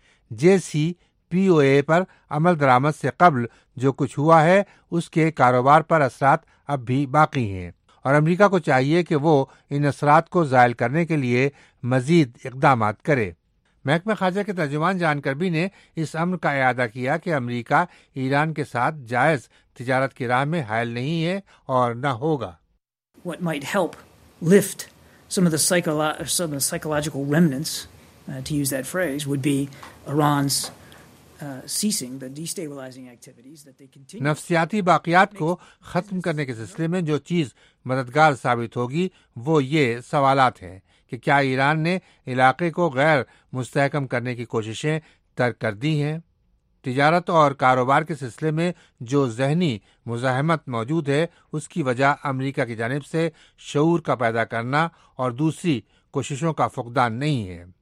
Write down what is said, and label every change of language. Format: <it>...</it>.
<ur>جے سی پی او اے پر عمل درآمد سے قبل جو کچھ ہوا ہے اس کے کاروبار پر اثرات اب بھی باقی ہیں اور امریکہ کو چاہیے کہ وہ ان اثرات کو زائل کرنے کے لیے مزید اقدامات کرے. محکمہ خارجہ کے ترجمان جان کربی نے اس امر کا اعادہ کیا کہ امریکہ ایران کے ساتھ جائز تجارت کی راہ میں حائل نہیں ہے اور نہ ہوگا.</ur> <en>What might help lift some of the psychological remnants, to use that phrase, would be Iran's ceasing the destabilizing activities that they continue.</en> <ur>نفسیاتی باقیات کو ختم کرنے کے سلسلے میں جو چیز مددگار ثابت ہوگی وہ یہ سوالات ہیں کہ کیا ایران نے علاقے کو غیر مستحکم کرنے کی کوششیں ترک کر دی ہیں. تجارت اور کاروبار کے سلسلے میں جو ذہنی مزاحمت موجود ہے اس کی وجہ امریکہ کی جانب سے شعور کا پیدا کرنا اور دوسری کوششوں کا فقدان نہیں ہے.</ur>